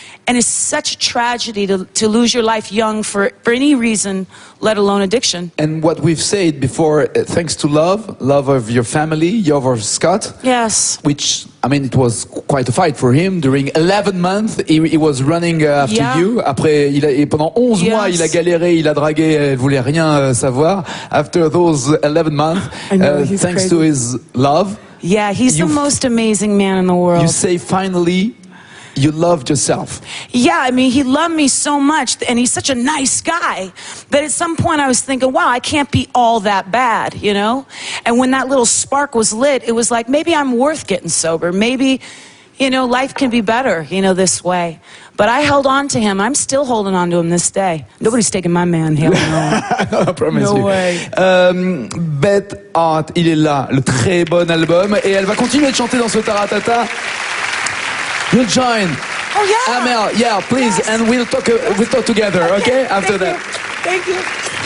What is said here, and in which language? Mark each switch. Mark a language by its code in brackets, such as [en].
[en] And it's such a tragedy to lose your life young for any reason, let alone addiction. And what we've said before, thanks to love, love of your family, love of Scott. Yes. Which, I mean, it was quite a fight for him. During 11 months, he was running after yeah. you. [fr] Après, il a, et pendant 11 [en] yes. [fr] mois, il a galéré, il a dragué, il voulait rien savoir. [en] After those 11 months, thanks crazy. To his love. Yeah, he's the most amazing man in the world. You say finally... You loved yourself. Yeah, I mean, he loved me so much, and he's such a nice guy, that at some point I was thinking, wow, I can't be all that bad, you know? And when that little spark was lit, it was like, maybe I'm worth getting sober. Maybe, you know, life can be better, you know, this way. But I held on to him. I'm still holding on to him this day. Nobody's taking my man, Hale. No, I promise no you. No way. [fr] Beth Hart, il est là, le très bon album, et elle va continuer de chanter dans ce taratata. [en] You'll join. Oh yeah. Amel, yeah, please, yes. And we'll talk together, okay? After Thank that. You. Thank you.